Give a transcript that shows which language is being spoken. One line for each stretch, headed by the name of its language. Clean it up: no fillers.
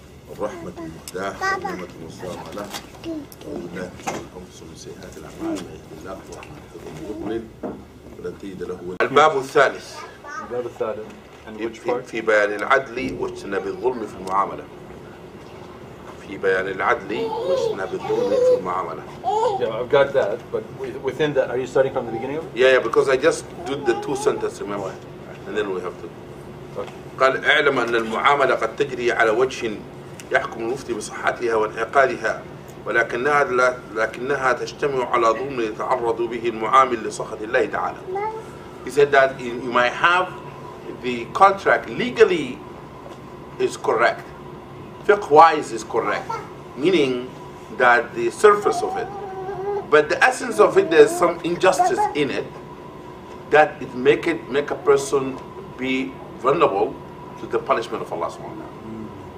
Arabic: الرحمة المهداة والنعمة المصطفى له ولله الحمد من سيئات الأعمال ما يهدي الله ورحمة الحكم المؤمن ولن تجد له ولي الباب الثالث الباب الثالث في بيان العدل واجتناب الظلم في المعاملة في بيان العدل واجتناب الظلم في المعاملة
English: Yeah, I've got that, but within that, are you starting from the beginning of it? Yeah, because I just did the two sentences, remember? And then we have to... Okay.
Arabic: قال اعلم أن المعاملة قد تجري على وجه يحكم المفتي بصحتها وانعقادها ولكنها تجتمع على ظلم يتعرض به المعامل لسخط الله تعالى.
English: He said that you might have the contract legally is correct, fiqh wise is correct, meaning that the surface of it, but the essence of it, there's some injustice in it that it make a person be vulnerable to the punishment of Allah subhanahu wa ta'ala.